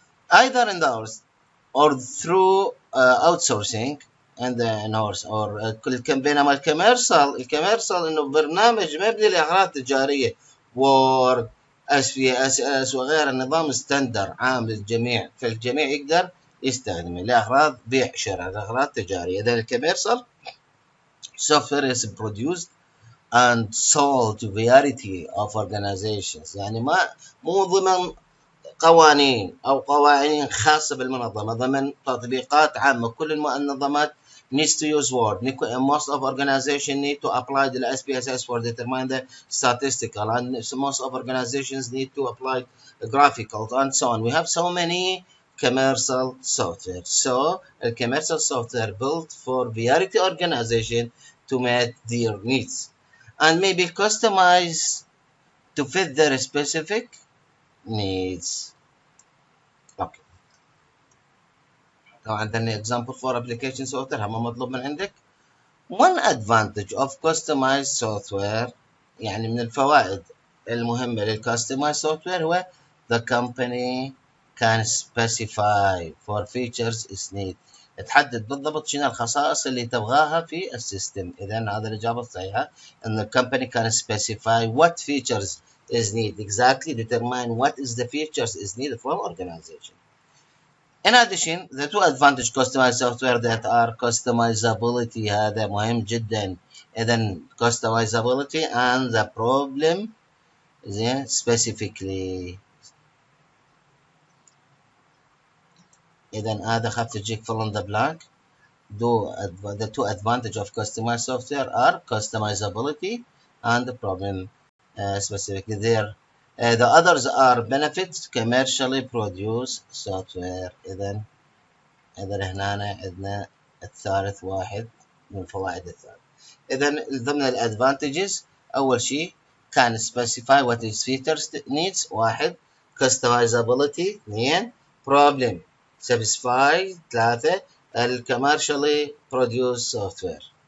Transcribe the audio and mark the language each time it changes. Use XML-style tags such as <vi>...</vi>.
<en>Either in the or through outsourcing and the in-house or</en> <ar>بينما الكوميرشال انه برنامج مبني لاغراض تجاريه, وورد اس في اس اس وغيره, نظام ستاندر عام للجميع, فالجميع يقدر يستخدمه لاغراض بيع شراء, لاغراض تجاريه. اذا الكوميرشال</ar> <en>software is produced and sold to variety of organizations.</en> <ar>يعني مو ضمن قوانين او قوانين خاصة بالمنظمة, ضمن تطبيقات عامة. كل المنظمات</ar> <en>needs to use Word. Most of organizations need to apply the SPSS for determine the statistical, and most of organizations need to apply graphical and so on. We have so many commercial software. So a commercial software built for variety organization to meet their needs. And maybe customize to fit their specific needs. Okay.</en> <ar>طبعا عندنا</ar> <en>example for application software</en> <ar>هم مطلوب من عندك.</ar> <en>One advantage of customized software,</en> <ar>يعني من الفوائد المهمة</ar> <en>للcustomized software, هو the company can specify for features its need.</en> <ar>تحدد بالضبط شنو الخصائص اللي تبغاها في السيستم. اذا هذا الاجابه الصحيحه, ان</ar> <en>the company can specify what features is need, exactly determine what is the features is need from organization. In addition, the two advantage customized software that are customizability,</en> <ar>هذا مهم جدا.</ar> <en>إذا customizability and the problem then specifically.</en> <ar>إذا هذا خاف تجيك</ar> <en>fill in the blank. The two advantage of customized software are customizability and the problem specifically there. The others are benefits commercially produced software.</en> <ar>إذا هنا عندنا الثالث واحد من فوائد الثالث. إذا ضمن الأدفانتجز أول شيء</ar> <en>can specify what is features needs واحد customizability اثنين problem satisfy ثلاثة commercially produced software.</en>